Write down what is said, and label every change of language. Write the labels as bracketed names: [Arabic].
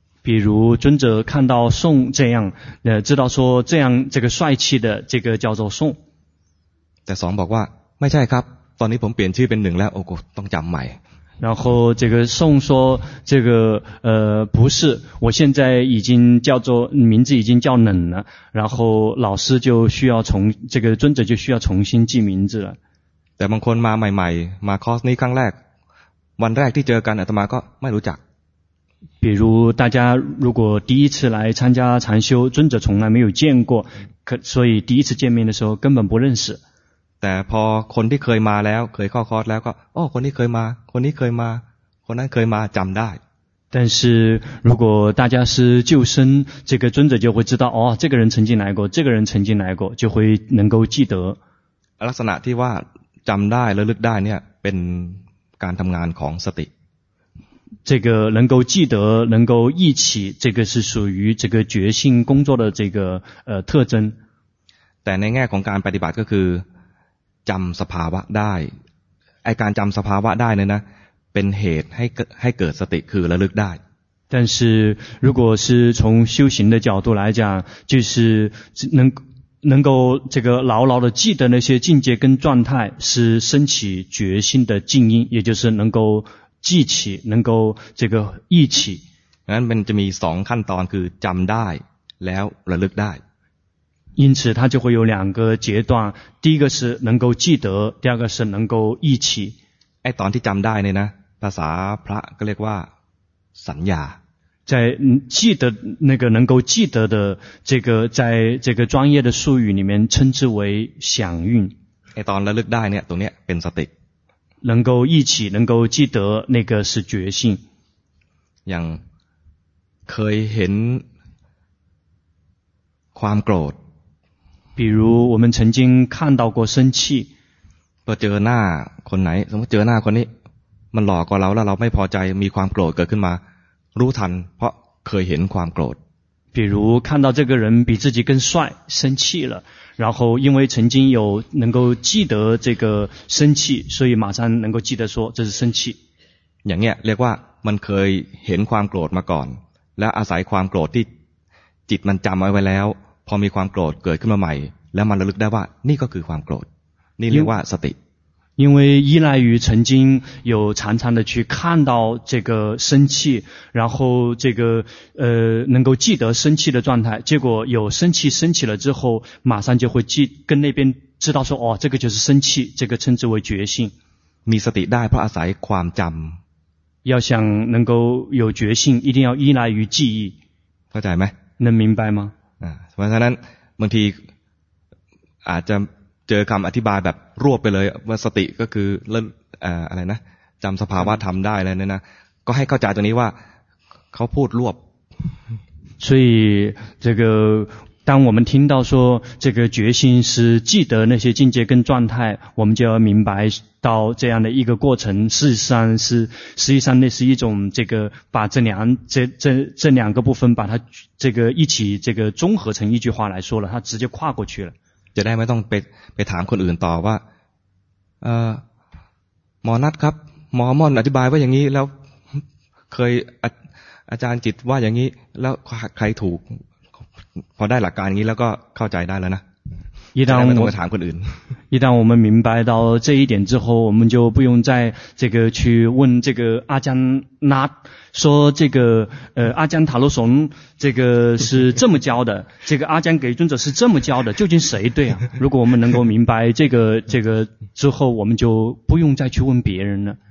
[Chinese] 比如尊者看到宋这样知道说这样这个帅气的这个叫做宋 [Thai] แต่สองบอกว่าไม่ใช่ครับตอนนี้ผมเปลี่ยนชื่อเป็นหนึ่งแล้วโอ้โหต้องจำใหม่ [Chinese] 然后这个宋说这个不是我现在已经叫做名字已经叫冷了然后老师就需要从这个尊者就需要重新记名字了 [Thai] แต่บางคนมาใหม่ๆมาคอร์สนี้ครั้งแรกวันแรกที่เจอกันอาตมาก็ไม่รู้จัก [Chinese] 比如大家如果第一次来参加禅修尊者从来没有见过所以第一次见面的时候根本不认识 [Thai] แต่พอคนที่เคยมาแล้วเคยเข้าคอร์สแล้วก็อ้อคนนี้เคยมาคนนั้นเคยมาจำได้ [Chinese] 但是如果大家是旧生这个尊者就会知道哦这个人曾经来过这个人曾经来过就会能够记得 [Thai] ลักษณะที่ว่าจำได้และลึกได้เนี่ยเป็นการทำงานของสติ [Chinese] 这个能够记得能够忆起这个是属于这个觉性工作的这个特征 [Thai] แต่ในแง่ของการปฏิบัติก็คือจำสภาวะได้ไอการจำสภาวะได้เนี่ยนะเป็นเหตุให้เกิดสติคือระลึกได้ [Chinese] 但是如果是从修行的角度来讲就是能够这个牢牢的记得那些境界跟状态是升起觉性的静音也就是能够记起能够这个忆起 [Thai] งั้นมันจะมีสองขั้นตอนคือจำได้แล้วระลึกได้ [Chinese] 因此它就会有两个阶段第一个是能够记得第二个是能够忆起 [Thai] ไอ้ตอนที่จำได้เนี่ยนะภาษาพระก็เรียกว่าสัญญา [Chinese] 在记得那个能够记得的这个在这个专业的术语里面称之为响运 [Thai] ไอ้ตอนระลึกได้เนี่ยตรงเนี้ยเป็นสติ [Chinese] 能够忆起能够记得那个是觉性 [Thai] อย่างเคยเห็นความโกรธ [Chinese] 比如我们曾经看到过生气 [Thai] พอเจอหน้าคนไหนสมมติเจอหน้าคนนี้มันหลอกกว่าเราแล้วเราไม่พอใจมีความโกรธเกิดขึ้นมารู้ทันเพราะเคยเห็นความโกรธ [Chinese] 比如看到这个人比自己更帅生气了然后因为曾经有能够记得这个生气所以马上能够记得说这是生气 [Thai] อย่างเงี้ยเรียกว่ามันเคยเห็นความโกรธมาก่อนและอาศัยความโกรธที่จิตมันจำเอาไว้แล้วพอมีความโกรธเกิดขึ้นมาใหม่แล้วมันระลึกได้ว่านี่ก็คือความโกรธนี่เรียกว่าสติ [Chinese] 因为依赖于曾经有常常的去看到这个生气然后这个能够记得生气的状态结果有生气升起了之后马上就会记跟那边知道说哦这个就是生气这个称之为觉性 [Thai] มีสติได้เพราะอาศัยความจำ [Chinese] 要想能够有觉性一定要依赖于记忆 [Thai] เข้าใจไหม [Chinese] 能明白吗 [Thai] เพราะฉะนั้นบางทีอาจจะเจอคำอธิบายแบบรวบไปเลยว่าสติก็คือ อะไรนะจำสภาวะธรรมได้อะไรเนี่ยนะก็ให้เข้าใจตรงนี้ว่าเขาพูดรวบ [Chinese] 所以这个当我们听到说这个决心是记得那些境界跟状态我们就要明白到这样的一个过程实际上那是一种这个把这两个部分把它这个一起这个综合成一句话来说了它直接跨过去了 [Thai] จะได้ไม่ต้องไปถามคนอื่นต่อว่าหมอนัทครับหมอม่อนอธิบายว่าอย่างนี้แล้วเคยอาจารย์จิตว่าอย่างนี้แล้วใครถูกพอได้หลักการนี้แล้วก็เข้าใจได้แล้วนะ [Chinese] 一旦我们谈过的人，一旦我们明白到这一点之后，我们就不用再这个去问这个阿姜那说这个阿姜塔罗松这个是这么教的，这个阿姜给尊者是这么教的，究竟谁对啊？如果我们能够明白这个之后，我们就不用再去问别人了。